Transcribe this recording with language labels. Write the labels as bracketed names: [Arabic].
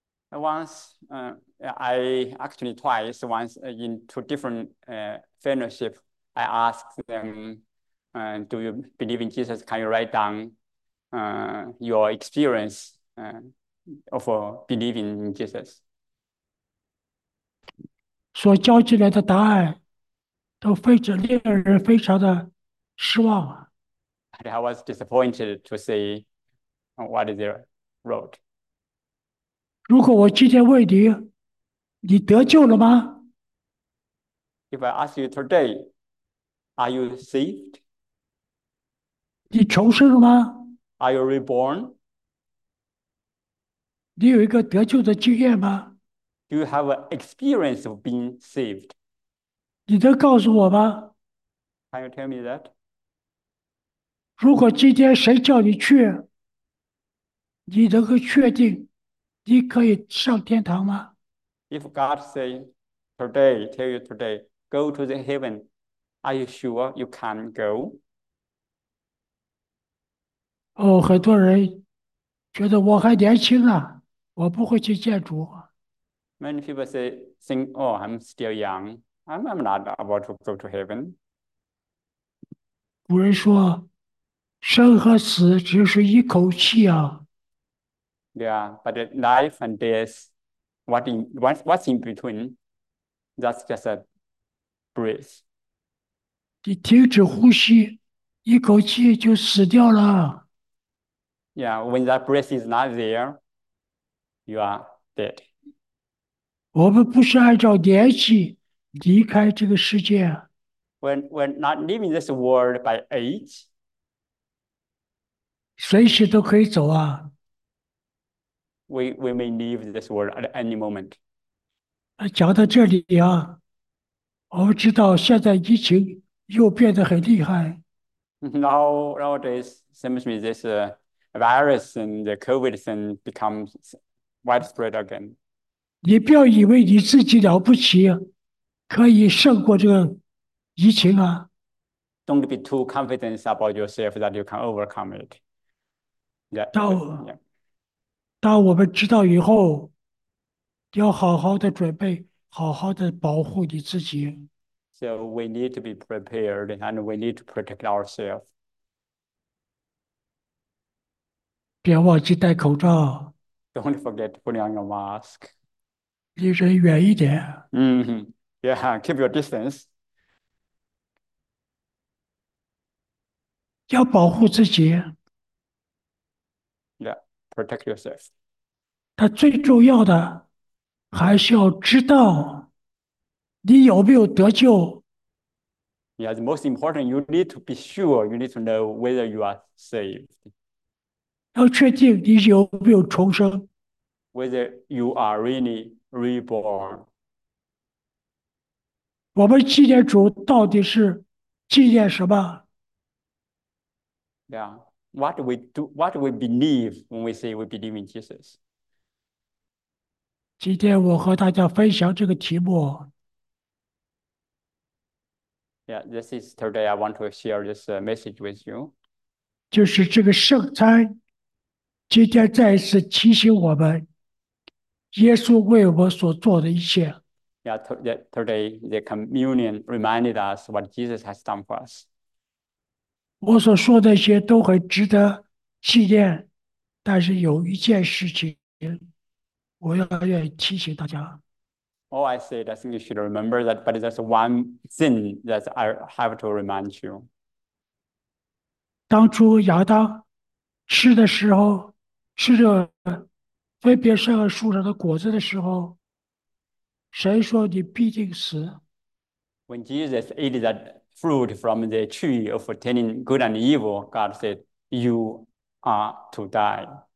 [English] Once, I actually twice, once in two different fellowship. I asked them, "Do you believe in Jesus? Can you write down your experience of believing in Jesus?" [Chinese] 所交进来的答案都非常令人非常的失望啊！ [English] And I was disappointed to see what they wrote. [Chinese] 如果我今天问你，你得救了吗？ [English] If I ask you today, are you saved? [Chinese] 你重生了吗？ [English] Are you reborn? [Chinese] 你有一个得救的经验吗？ [English] Do you have an experience of being saved? [Chinese] 你能告诉我吗？ [English] Can you tell me that? [Chinese] 如果今天谁叫你去，你能够确定你可以上天堂吗？ [English] If God say today, tell you today, go to the heaven. Are you sure you can go? [Chinese] 哦，很多人觉得我还年轻啊，我不会去见主。 [English] Many people say, "Think, oh, I'm still young. I'm not about to go to heaven." [Chinese] 古人说：“生和死只是一口气啊。 [English] Yeah, but life and death, what's in between? That's just a breath. [Chinese] ”你停止呼吸，一口气就死掉了。 [English] Yeah, when that breath is not there, you are [Chinese] 对。我们不是按照年纪离开这个世界啊。 [English] We're not leaving this world by age. [Chinese] 随时都可以走啊。 [English] We may leave this world at any moment. [Chinese] 讲到这里啊，我们知道现在疫情又变得很厉害。 [English] Nowadays, seems to me this virus and the COVID thing becomes widespread again. [Chinese] 你不要以为你自己了不起，可以胜过这个疫情啊！ [English] Don't be too confident about yourself that you can overcome it. Yeah. [Chinese] 当我们知道以后，要好好的准备，好好的保护你自己。 [English] So we need to be prepared and we need to protect ourselves. [Chinese] 别忘记戴口罩。 [English] Don't forget to put on your mask. [Chinese] 离人远一点， [English] Yeah, keep your distance. [Chinese] 要保护自己。 [English] Protect yourself. [Chinese] 但最重要的还是要知道你有没有得救。 [English] Yeah, the most important, you need to be sure, you need to know whether you are saved. [Chinese] 要确定你有没有重生。 [English] Whether you are really reborn. [Chinese] 我们纪念主到底是纪念什么？ [English] Yeah. What do we do? What do we believe when we say we believe in Jesus? [Chinese] 今天我和大家分享这个题目。 [English] Yeah, this is today. I want to share this message with you. [Chinese] 就是这个圣餐，今天再一次提醒我们，耶稣为我所做的一切。 [English] Yeah, today the communion reminded us what Jesus has done for us. [Chinese] 我所说的这些都很值得纪念，但是有一件事情，我要提醒大家。 [English] Oh, I said, I think you should remember that, but there's one thing that I have to remind you. [Chinese] 当初亚当吃的时候，吃着分别善恶树上的果子的时候，神说你必定死。 [English] When Jesus ate that fruit from the tree of forbidden good and evil, God said, "You are to die."